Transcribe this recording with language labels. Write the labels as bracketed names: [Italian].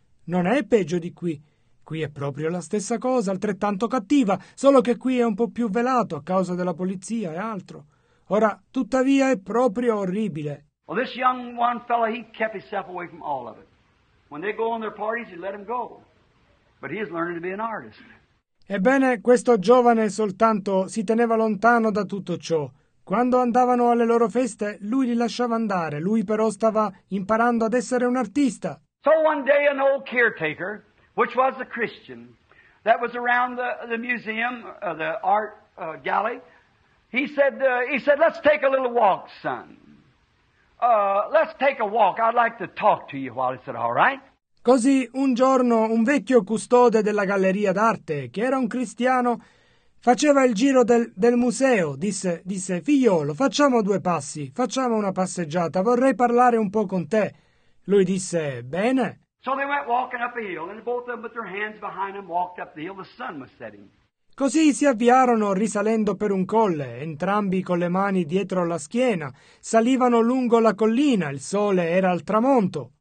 [Italian] Non è peggio di qui. Qui è proprio la stessa cosa, altrettanto cattiva, solo che qui è un po' più velato a causa della polizia e altro. Ora, tuttavia, è proprio orribile. [English] Well, this young one fellow, he kept himself away from all of it. When they go on their parties, he let them go. But he is learning to be an artist. [Italian] Ebbene, questo giovane soltanto si teneva lontano da tutto ciò. Quando andavano alle loro feste, lui li lasciava andare. Lui però stava imparando ad essere un artista. [English] So one day an old caretaker, which was a Christian, that was around the museum, the art galley, he said, let's take a little walk, son. Let's take a walk. I'd like to talk to you while. He said, all right. [Italian] Così un giorno un vecchio custode della galleria d'arte, che era un cristiano, faceva il giro del museo. Disse, figliolo, facciamo due passi, facciamo una passeggiata, vorrei parlare un po' con te. Lui disse, bene. [English] So they went walking up a hill, and both of them put their hands behind them, walked up the hill. The sun was setting. [Italian] Così si avviarono risalendo per un colle, entrambi con le mani dietro la schiena. Salivano lungo la collina, il sole era al tramonto.